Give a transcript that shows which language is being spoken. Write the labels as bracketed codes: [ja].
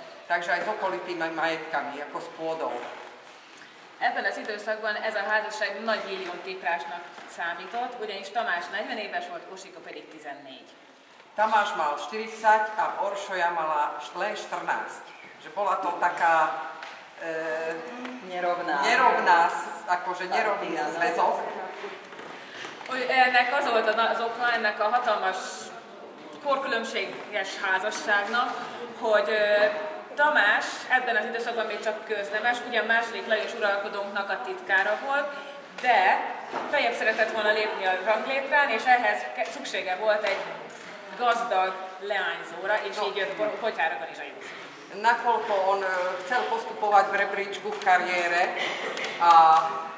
[sk] Takže aj s okolitými majetkami, ako s pôdou. [hu] Ebben az időszakban ez a házasság nagy millió tiprásnak számított, ugyanis Tamás 40 éves volt, Osika pedig 14. [sk] Tamáš mal 40 a Orsolya mala len 14. Že bola to taká nerovná zväzok. [hu] Ennek az volt az oka, ennek a hatalmas korkülönbséges házasságnak, hogy Tamás ebben az időszakban még csak köznemes, ugyan második Lajos uralkodónknak a titkára volt, de feljebb szeretett volna lépni a ranglétrán, és ehhez szüksége volt egy gazdag leányzóra, és no, így jött potyára Kanizsai. [sk] Nakoľko on chcel postupovať v rebríčku v kariére a...